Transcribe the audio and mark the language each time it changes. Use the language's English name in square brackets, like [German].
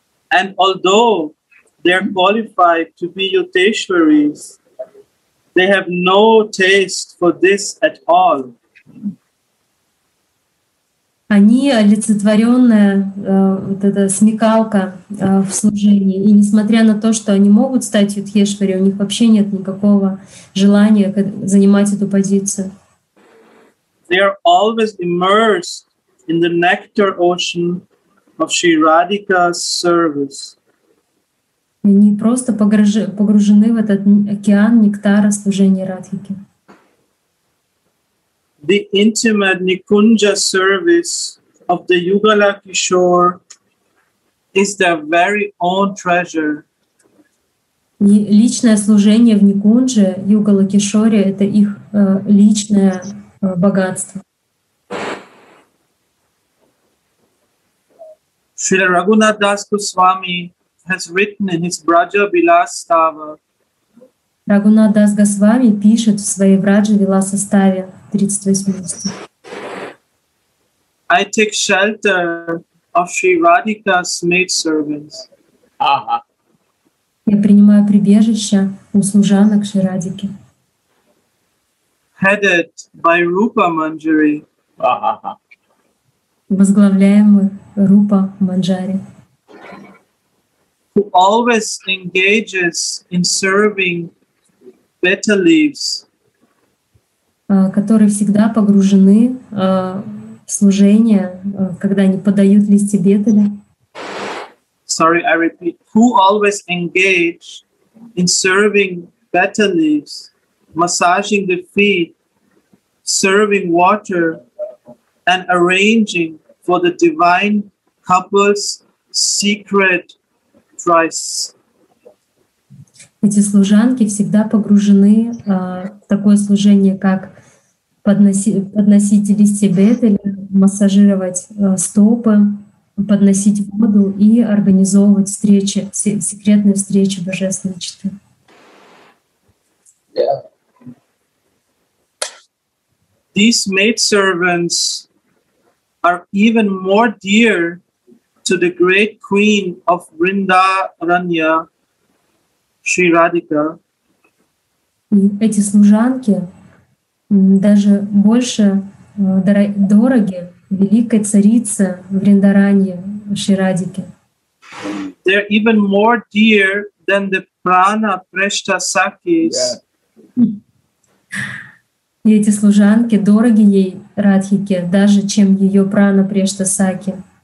[English] And although they are qualified to be Yukteswaris, they have no taste for this at all. [Russian] Они олицетворенная вот эта смекалка в служении. И несмотря на то, что они могут стать Юдхешвари, у них вообще нет никакого желания занимать эту позицию. [English] They are always immersed in the nectar ocean of Sri Radhika's service. [Russian] Они просто погружены в этот океан нектара служения Радхики. [English] The intimate Nikunja service of the Yugala Kishore is their very own treasure. [Russian] И личное служение в Никунже, Югала Кишоре, это их личное богатство. [English] Шрила Рагхунат Дас Госвами has written in his Vraja Vilasa Stava. [Russian] Рагхунат Дас Госвами пишет в своей Vraja Vilasa Stava 38. [English] I take shelter of Sri Radhika's maid servants. [Russian] Я принимаю прибежище у служанок Шри Радхики. [English] Headed by Rupa Manjari. [Russian] Возглавляемый Рупа Манджари. [English] Who always engages in serving betta leaves. [Russian] Которые всегда погружены в служение, когда они подают листья бетеля. [English] Sorry, I repeat. Who always engage in serving betta leaves, massaging the feet, serving water, and arranging for the divine couple's secret price. [Russian] Эти служанки всегда погружены в такое служение, как подносить листья бетеля, массажировать стопы, подносить воду и организовывать встречи, секретные встречи Божественной Четы. [English] Yeah. These maidservants are even more dear to the great queen of Vrindaranya, Sri Radhika. [Russian] И эти служанки даже больше дороги великой царице Вриндаране, Шри Радике. [English] They're even more dear than the prana preshta sakis. [Russian] И эти служанки дороги ей, Радхике, даже чем ее прана прешта саки.